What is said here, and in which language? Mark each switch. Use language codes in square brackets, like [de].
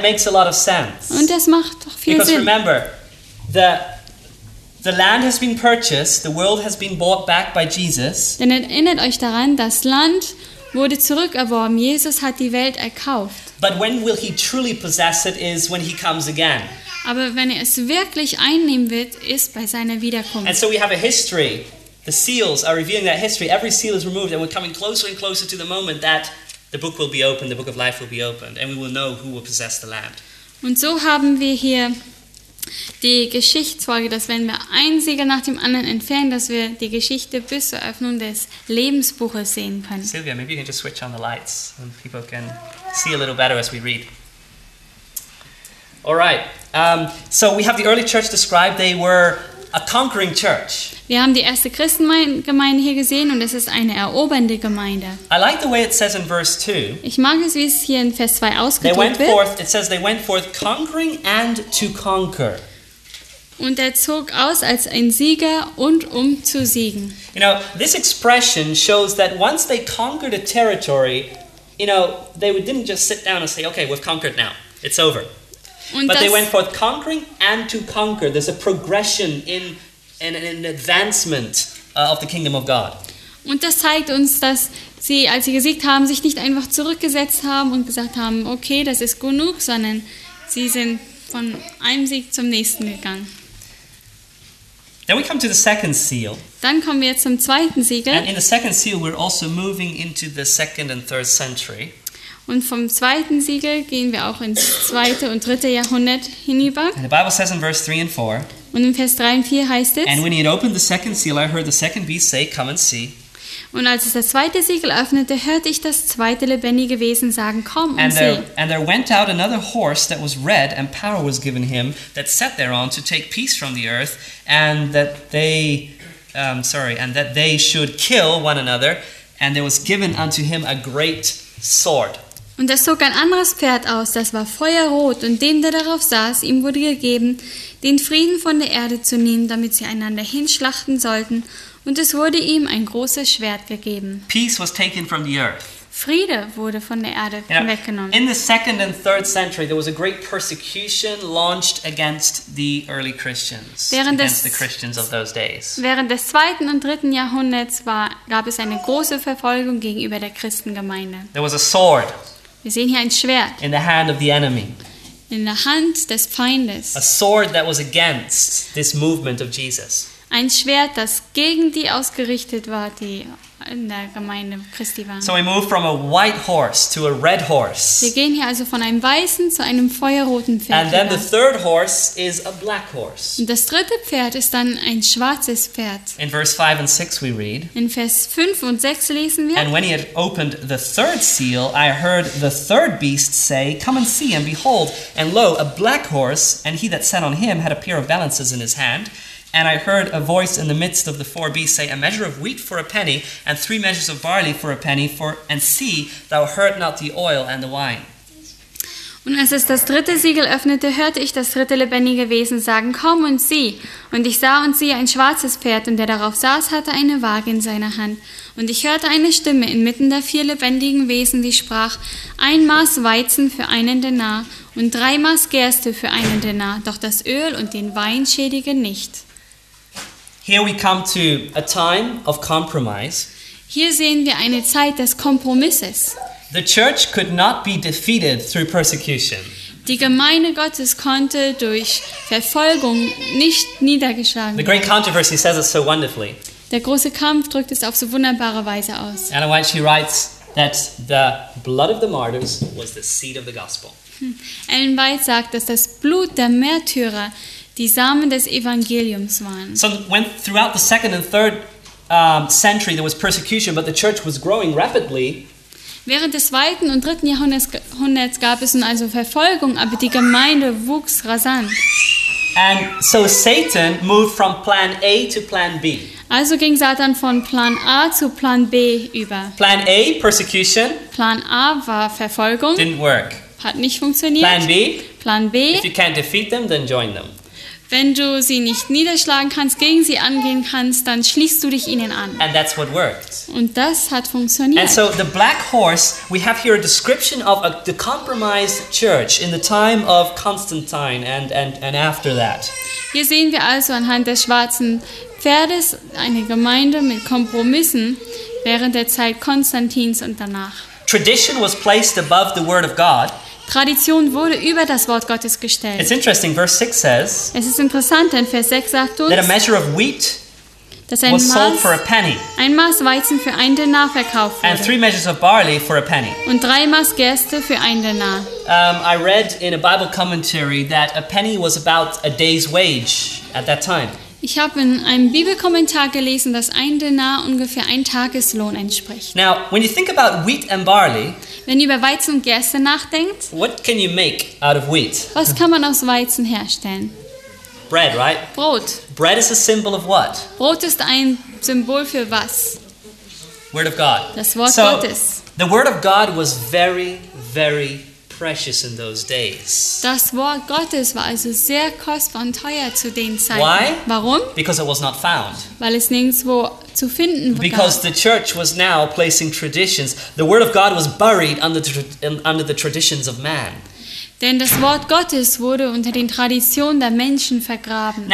[en] And it makes a lot of sense. [de] Und das macht doch viel [en] Because [de] Sinn. [en] Remember, the land has been purchased, the world has been bought back by Jesus. [de] Denn erinnert euch daran, das Land wurde zurückerworben. Jesus hat die Welt erkauft. [en] But when will he truly possess it is when he comes again. [de] Aber wenn er es wirklich einnehmen wird, ist bei seiner Wiederkunft. [en] And so we have a history. The seals are revealing that history. Every seal is removed and we're coming closer and closer to the moment that the book will be opened, the book of life will be opened, and we will know who will possess the land. [de] Und so haben wir hier die Geschichtsfolge, dass wenn wir ein Siegel nach dem anderen entfernen, dass wir die Geschichte bis zur Öffnung des Lebensbuches sehen können. [en] Sylvia, maybe you can just switch on the lights and people can see a little better as we read. All right. So we have the early church described. They were a conquering church. [de] Wir haben die erste Christengemeinde hier gesehen und es ist eine erobernde Gemeinde. [en] I like the way it says in verse 2. [de] Ich mag es, wie es hier in Vers 2 ausgedrückt [en] They went forth, it says they went forth conquering and to conquer. [de] Und er zog aus als ein Sieger und um zu siegen. [en] You know, this expression shows that once they conquered a territory, you know, they didn't just sit down and say, okay, we've conquered now. It's over. [de] Und [en] but [de] das, [en] they went forth conquering and to conquer. There's a progression in an advancement of the kingdom of God. [de] Und das zeigt uns, dass sie, als sie gesiegt haben, sich nicht einfach zurückgesetzt haben und gesagt haben, okay, das ist genug, sondern sie sind von einem Sieg zum nächsten gegangen. [en] Then we come to the second seal. [de] Dann kommen wir zum zweiten Siegel. [en] And in the second seal, we're also moving into the second and third century. [de] Und vom zweiten Siegel gehen wir auch ins zweite und dritte Jahrhundert hinüber. [en] And the Bible says in verse 3 and 4. [de] Und in Vers 3 und 4 heißt es. [en] And when he had opened the second seal, I heard the second beast say, come and see. [de] Und als es das zweite Siegel öffnete, hörte ich das zweite lebendige Wesen sagen, komm und sieh. [en] And there went out another horse that was red, and power was given him that sat thereon to take peace from the earth, and that they should kill one another, and there was given unto him a great sword. [de] Und es zog ein anderes Pferd aus, das war feuerrot, und dem, der darauf saß, ihm wurde gegeben, den Frieden von der Erde zu nehmen, damit sie einander hinschlachten sollten, und es wurde ihm ein großes Schwert gegeben. [en] Peace was taken from the earth. [de] Friede wurde von der Erde weggenommen. [en] In the second and third century, there was a great persecution launched against the early Christians, the Christians of those days. [de] Während des zweiten und dritten Jahrhunderts gab es eine große Verfolgung gegenüber der Christengemeinde. [en] There was a sword. [de] Wir sehen hier ein Schwert. [en] In the hand of the enemy. [de] In der Hand des Feindes. [en] A sword that was against this movement of Jesus. [de] ein Schwert, das gegen die ausgerichtet war, die in der Gemeinde Christi waren. [en] So we move from a white horse to a red horse. [de] Wir gehen hier also von einem weißen zu einem feuerroten Pferd. [en] And then the third horse is a black horse. [de] Und das dritte Pferd ist dann ein schwarzes Pferd. [en] In verse 5 and 6 we read. [de] In Vers 5 und 6 lesen wir. [en] And when he had opened the third seal, I heard the third beast say, "Come and see, and behold, and lo, a black horse, and he that sat on him had a pair of balances in his hand." And I heard a voice in the midst of the four beasts say, "A measure of wheat for a penny, and three measures of barley for a penny, for and see, thou hurt not the oil and the wine." [de] Und als es das dritte Siegel öffnete, hörte ich das dritte lebendige Wesen sagen, "Komm und sieh." Und ich sah und sieh ein schwarzes Pferd, und der darauf saß, hatte eine Waage in seiner Hand. Und ich hörte eine Stimme inmitten der vier lebendigen Wesen, die sprach, "Ein Maß Weizen für einen Denar, und drei Maß Gerste für einen Denar, doch das Öl und den Wein schädige nicht." [en] Here we come to a time of compromise. [de] Hier sehen wir eine Zeit des Kompromisses. [en] The church could not be defeated through persecution. [de] Die Gemeinde Gottes konnte durch Verfolgung nicht niedergeschlagen werden. [en] The great controversy says it so wonderfully. [de] Der große Kampf drückt es auf so wunderbare Weise aus. [en] Anna White, she writes that the blood of the martyrs was the seed of the gospel. [de] Ellen White sagt, dass das Blut der Märtyrer die Samen des Evangeliums waren. [en] So when throughout the second and third century there was persecution, but the church was growing rapidly. [de] Während des zweiten und dritten Jahrhunderts gab es nun also Verfolgung, aber die Gemeinde wuchs rasant. [en] And so Satan moved from plan A to plan B. [de] Also ging Satan von Plan A zu Plan B über. [en] Plan A, persecution. [de] Plan A war Verfolgung. [en] Didn't work. [de] Hat nicht funktioniert. [en] Plan B. [de] Plan B. [en] If you can't defeat them, then join them. [de] Wenn du sie nicht niederschlagen kannst, gegen sie angehen kannst, dann schließt du dich ihnen an. [en] And that's what worked. [de] Und das hat funktioniert. [en] And so the black horse, we have here a description of the compromised church in the time of Constantine and after that. [de] Hier sehen wir also anhand des schwarzen Pferdes eine Gemeinde mit Kompromissen während der Zeit Konstantins und danach. [en] Tradition was placed above the word of God. [de] Tradition wurde über das Wort Gottes gestellt. [en] It's interesting, verse 6 says, [de] es ist interessant, denn Vers 6 sagt uns, [en] that a measure of wheat was sold for a penny. [de] Ein Maß Weizen für einen Denar verkauft wurde. [en] And three measures of barley for a penny. [de] Und drei Maß Gerste für einen Denar. [en] I read in a Bible commentary that a penny was about a day's wage at that time. [de] Ich habe in einem Bibelkommentar gelesen, dass ein Denar ungefähr ein Tageslohn entspricht. [en] Now, when you think about wheat and barley, [de] wenn ihr über Weizen und Gerste nachdenkt, [en] what can you make out of wheat? [de] Was kann man aus Weizen herstellen? [en] Bread, right? [de] Brot. [en] Bread is a symbol of what? [de] Brot ist ein Symbol für was? [en] Word of God. [de] Das Wort Gottes. [en] So, the word of God was very, very precious in those days. [de] Das Wort Gottes war also sehr kostbar und teuer zu den Zeiten. [en] Why? [de] Warum? [en] Because it was not found. [de] Weil es nirgendwo zu finden war. [en] Because the church was now placing traditions. The word of God was buried under the traditions of man. [de] Denn das Wort Gottes wurde unter den Traditionen der Menschen vergraben.